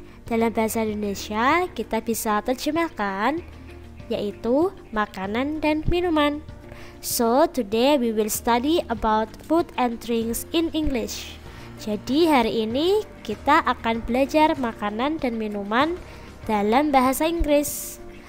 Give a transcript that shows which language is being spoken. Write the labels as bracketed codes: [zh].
[id] Dalam bahasa Indonesia, kita bisa terjemahkan yaitu makanan dan minuman. [en] So, today we will study about food and drinks in English. [id] Jadi, hari ini kita akan belajar makanan dan minuman dalam bahasa Inggris.